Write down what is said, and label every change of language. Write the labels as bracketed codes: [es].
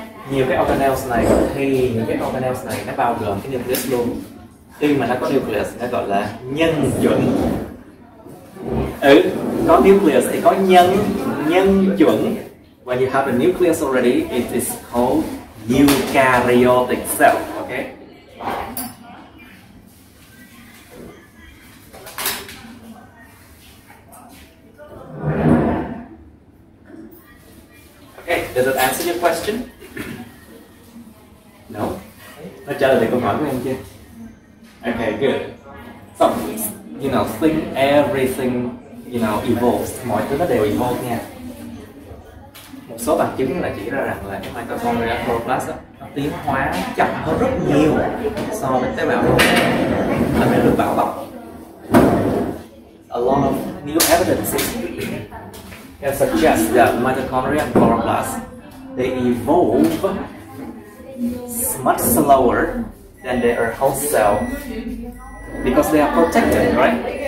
[vi] Nhiều cái organelles này thì những cái organelles này nó bao gồm cái nucleus luôn. Khi mà nó có nucleus nó gọi là nhân chuẩn. Ừ, có nucleus thì có nhân chuẩn. [en] When you have a nucleus already, it is called eukaryotic cell. Okay. Okay. Does that answer your question? No. [vi] Nó trả lời được câu hỏi của em chưa? [en] Okay. Good. So, you know, think everything, you know, evolves. [vi] Mọi thứ nó đều evolve nha. Một số bằng chứng là chỉ ra rằng là cái mitochondria chloroplast nó tiến hóa chậm hơn rất nhiều so với tế bào hồng cầu và nó được bảo bọc. [en] A lot of new evidence can suggest that mitochondria chloroplast they evolve much slower than their host cell because they are protected, right?